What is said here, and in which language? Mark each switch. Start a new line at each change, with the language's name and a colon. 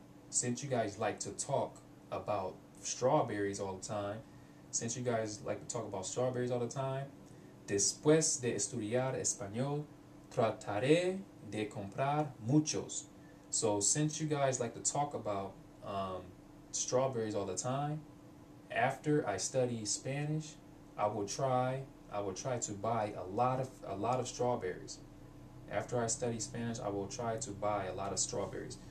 English: Since you guys like to talk about strawberries all the time. Since you guys like to talk about strawberries all the time.
Spanish: Después de estudiar español, trataré de comprar muchos.
English: So, since you guys like to talk about strawberries all the time, after I study Spanish, I will try to buy a lot of strawberries. After I study Spanish, I will try to buy a lot of strawberries.